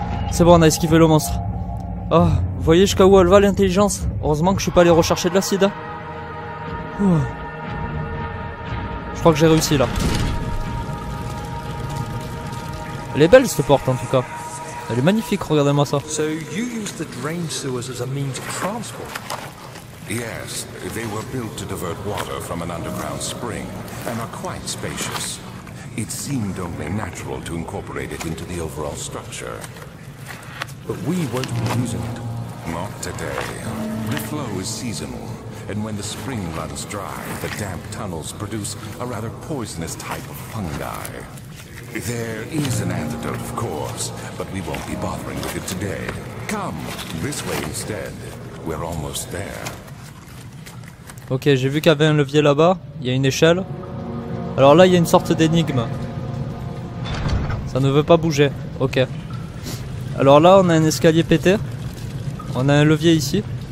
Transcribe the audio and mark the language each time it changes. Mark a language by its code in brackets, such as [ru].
[fr] C'est bon, on a esquivé le monstre. Oh, vous voyez jusqu'à où elle va l'intelligence. Heureusement que je suis pas allé rechercher de l'acide. Hein. Ouh. Je crois que j'ai réussi là. Elle est belle cette porte en tout cas. Elle est magnifique, regardez-moi ça. [en] So you use the drain sewers as a means of transport? Yes, they were built to divert water from an underground spring and are quite spacious. It seemed only natural to incorporate it into the overall structure. But we won't be using it. Not today. The flow is seasonal. And when the spring runs dry, the damp tunnels produce a rather poisonous type of fungi. There is an antidote, of course, but we won't be bothering with it today. Come, this way instead. We're almost there. [fr] Ok, j'ai vu qu'il y avait un levier là-bas. Il y a une échelle. Alors là, il y a une sorte d'énigme. Ça ne veut pas bouger. Ok. Alors là, on a un escalier pété. On a un levier ici.